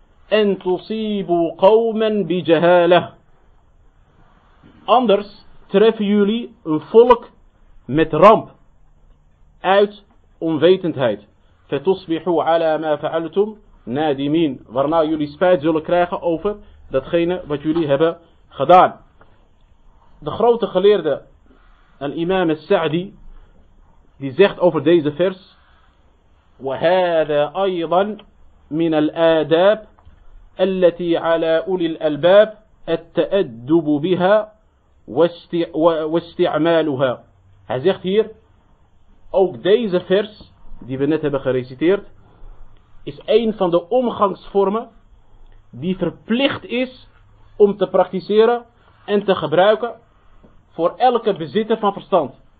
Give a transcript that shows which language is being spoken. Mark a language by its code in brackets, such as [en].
[ar] En tusibu qawman bijahala, [nl] anders treffen jullie een volk met ramp uit onwetendheid. [ar] Fatusbihu ala ma fa'altum nadimin, [nl] waarna jullie spijt zullen krijgen over datgene wat jullie hebben gedaan. De grote geleerde al-imam al-Sa'di die zegt over deze vers: [ar] وهذا أيضا من الآداب التي على أولي الألباب التأدب بها واستعمالها. [nl] Hij zegt hier, ook deze vers die we net hebben gereciteerd is een van de omgangsvormen die verplicht is om te praktiseren en te gebruiken voor elke bezitter van verstand.